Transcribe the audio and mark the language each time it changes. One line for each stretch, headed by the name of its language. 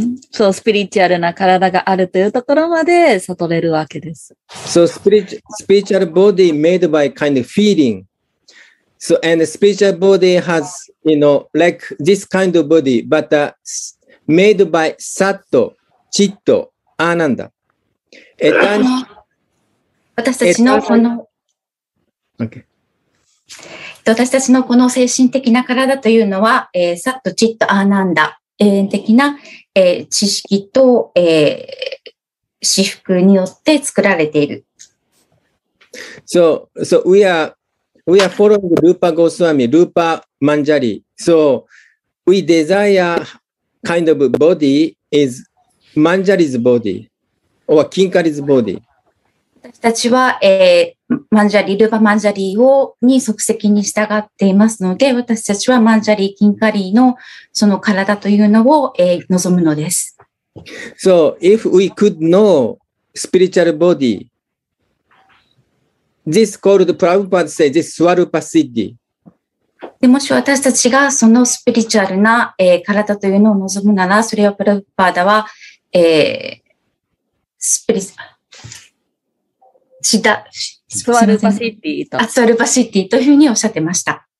Japanese: そうスピリチュアルな体があるというところまで悟れるわけです。
English: So spiritual body made by kind of feeling. So, and the spiritual body has, you know, like this kind of body, but made by Satto, Chitto, Ananda.
Japanese: 私たちのこの、
English: okay.
Japanese: 私たちのこの精神的な体というのは、Satto, Chitto, Ananda、永遠的な、知識と、至福によって作られている。
English: So we are following Rupa Goswami, Rupa Manjari. So we desire kind of body is Manjari's body or Kinkari's body.
Japanese: 私たちは、Rupa Manjari に即席に従っていますので、私たちは Manjari, Kinkari のその体というのを、望むのです。
English: So if we could know spiritual bodyThis called Prabhupada says this Swarupa Siddhi.
Japanese: でもし私たちがそのスピリチュアルな、体というのを望むなら、それはプラブパーダは、スピリチュアル、シダ、スワルパシッティと。スワルパシッティというふうにおっしゃってました。